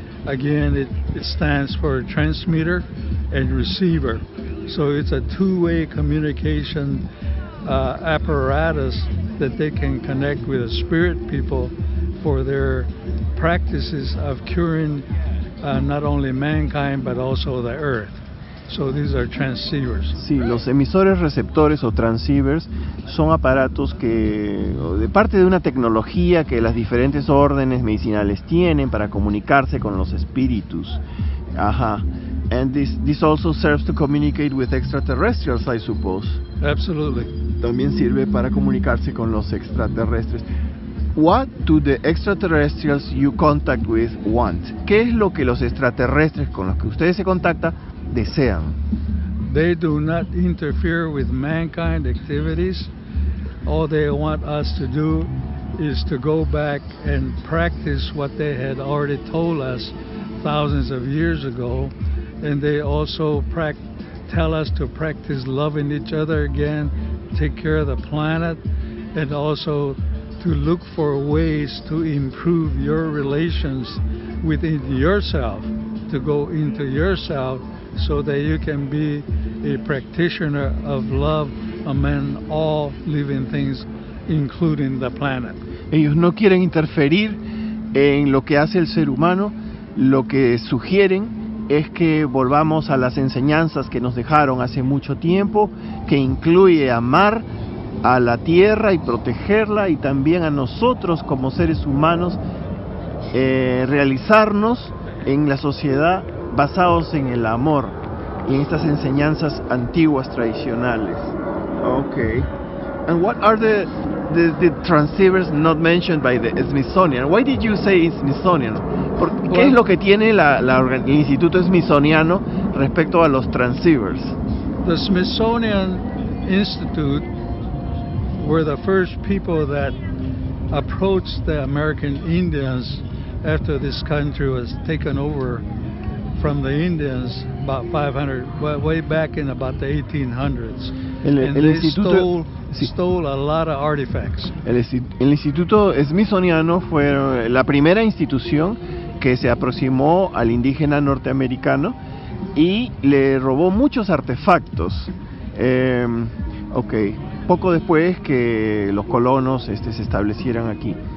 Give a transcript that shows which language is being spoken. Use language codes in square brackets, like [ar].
[en] Again, it stands for transmitter and receiver. So it's a two-way communication apparatus that they can connect with the spirit people for their practices of curing not only mankind, but also the Earth. So these are transceivers. [es] Sí, los emisores receptores o transceivers son aparatos que, de parte de una tecnología que las diferentes órdenes medicinales tienen para comunicarse con los espíritus. [en] And this also serves to communicate with extraterrestrials, I suppose. Absolutely. [es] También sirve para comunicarse con los extraterrestres. [en] What do the extraterrestrials you contact with want? [es] ¿Qué es lo que los extraterrestres con los que ustedes se contactan desean? [en] They do not interfere with mankind activities. All they want us to do is to go back and practice what they had already told us thousands of years ago. And they also tell us to practice loving each other again, take care of the planet, and also to look for ways to improve your relations within yourself, to go into yourself so that you can be a practitioner of love among all living things, including the planet. [es] Ellos no quieren interferir en lo que hace el ser humano. Lo que sugieren es que volvamos a las enseñanzas que nos dejaron hace mucho tiempo, que incluye amar a la tierra y protegerla, y también a nosotros como seres humanos realizarnos en la sociedad basados en el amor y en estas enseñanzas antiguas tradicionales. Okay. [en] And what are the transceivers not mentioned by the Smithsonian? Why did you say it's Smithsonian? [es] ¿Qué es lo que tiene el Instituto Smithsoniano respecto a los transceivers? [en] The Smithsonian Institute were the first people that approached the American Indians after this country was taken over from the Indians about 500, way back in about the 1800s. Stole a lot of artifacts. [es] El Instituto Smithsoniano fue la primera institución que se aproximó al indígena norteamericano y le robó muchos artefactos. Okay. Poco después que los colonos se establecieran aquí.